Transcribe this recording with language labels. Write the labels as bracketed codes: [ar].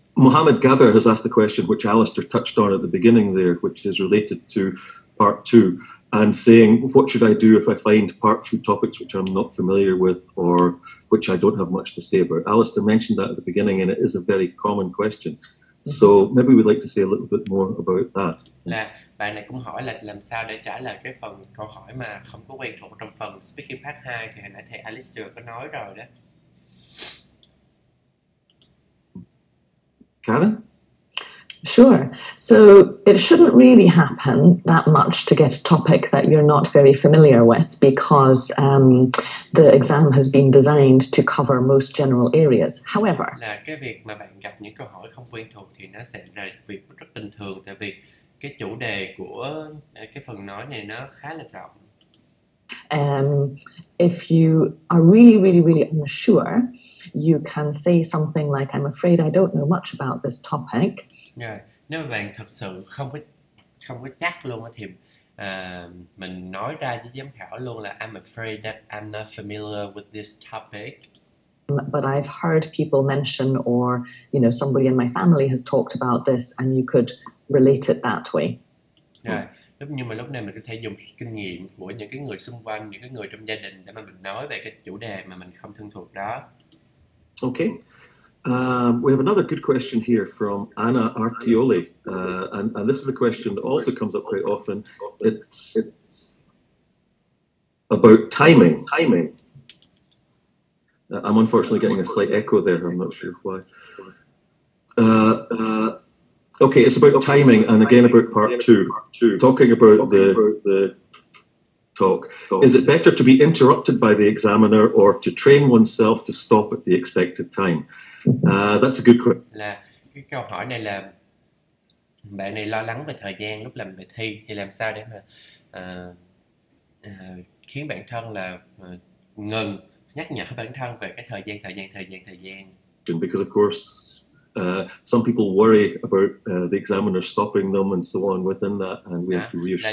[en] Mohammed Gaber has asked a question which Alistair touched on at the beginning there, which is related to part two, and saying, what should I do if I find part two topics which I'm not familiar with or which I don't have much to say about? Alistair mentioned that at the beginning, and it is a very common question. So maybe we'd like to say a little bit more about that. [vi] Là bạn này cũng hỏi là làm sao để trả lời cái phần câu hỏi mà không có quen thuộc trong phần speaking part 2 thì hồi nãy thầy Alistair có nói rồi đó. [en] Karen? Sure. So it shouldn't really happen that much to get a topic that you're not very familiar with, because the exam has been designed to cover most general areas. However, [vi] là cái việc mà bạn gặp những câu hỏi không quen thuộc thì nó sẽ là việc rất bình thường, tại vì cái chủ đề của cái phần nói này nó khá là rộng. [en] If you are really, really, really unsure, you can say something like, I'm afraid I don't know much about this topic. Yeah. [vi] Nếu mà bạn thật sự không có chắc luôn thì mình nói ra với giám khảo luôn là [en] I'm afraid that I'm not familiar with this topic. But I've heard people mention, or you know, somebody in my family has talked about this, and you could relate it that way. Yeah. Oh. [vi] Nhưng mà lúc này mình có thể dùng kinh nghiệm của những cái người xung quanh, những cái người trong gia đình để mà mình nói về cái chủ đề mà mình không thân thuộc đó. [en] Okay. We have another good question here from Anna Artioli, and this is a question that also comes up quite often. It's about timing. I'm unfortunately getting a slight echo there. I'm not sure why. Okay, it's about timing, and again about part two, talking about the talk. Is it better to be interrupted by the examiner or to train oneself to stop at the expected time? That's a good question. [vi] Là cái câu hỏi này là bạn này lo lắng về thời gian lúc làm bài thi, thì làm sao để mà khiến bản thân là ngừng nhắc nhở bản thân về cái thời gian. [en] Because of course some people worry about the examiner stopping them and so on within that, and we have to reassure.